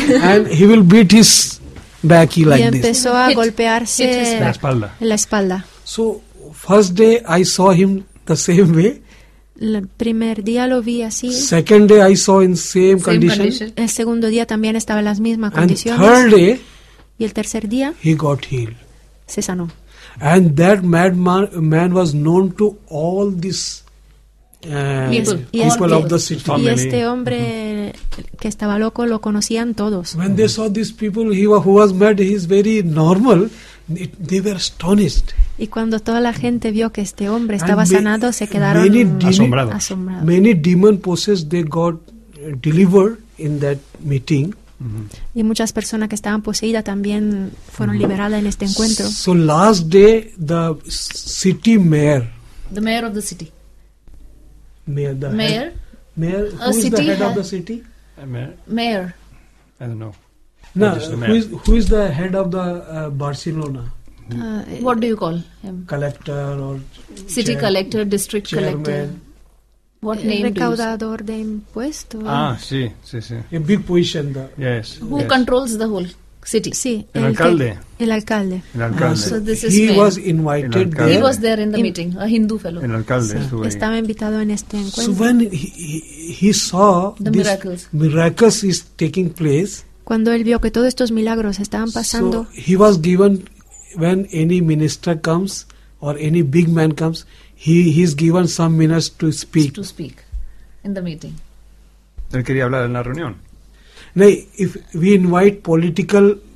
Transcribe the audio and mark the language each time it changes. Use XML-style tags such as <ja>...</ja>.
<en>And he will beat his back like this.</en> <es>Y empezó</es> <en>this.</en> <es>A golpearse la espalda.</es> <en>So, first day I saw him the same way.</en> <es>El primer día lo vi así.</es> <en>Second day I saw in same condition.</en> <es>El segundo día también estaba en las mismas condiciones.</es> <en>And third day.</en> <es>Y el tercer día.</es> <en>He got healed.</en> <es>Se sanó.</es> <en>And that madman was known to all this people of the city.</en> <es>Y este hombre que estaba loco lo conocían todos.</es> <en>When they saw these people, who was mad, he's very normal. They were astonished.</en> <es>Y cuando toda la gente vio que este hombre estaba sanado, se quedaron asombrados.</es> <en>Many demon possessed they got delivered in that meeting.</en> <es>Y muchas personas que estaban poseídas también fueron liberadas en este encuentro.</es> <en>So last day, the city mayor. The mayor of the city. mayor, the mayor? Mayor, who is the head of the city? Mayor. I don't know. No, who is the head of the Barcelona? What do you call him? Collector or city chair, collector, district chairman. Collector. What name?</en> <es>Recaudador de impuestos. Ah, sí.</es> <en>A big position. The, yes. Who yes. controls the whole city?</en> <es>Sí. El alcalde.</es> <en>So this is he mayor. Was invited. He was there in the meeting. A Hindu fellow.</en> <es>El alcalde.</es> <en>So,</en> <es>estaba invitado en este encuentro.</es> <en>So when he saw the miracles is taking place.</en> <es>Cuando él vio que todos estos milagros estaban pasando.</es> <en>So he was given when any minister comes or any big man comes. He is given some minutes to speak. To speak in the meeting.</en> <es>Él quería hablar en la reunión.</es> <en>No, if we invite political</en>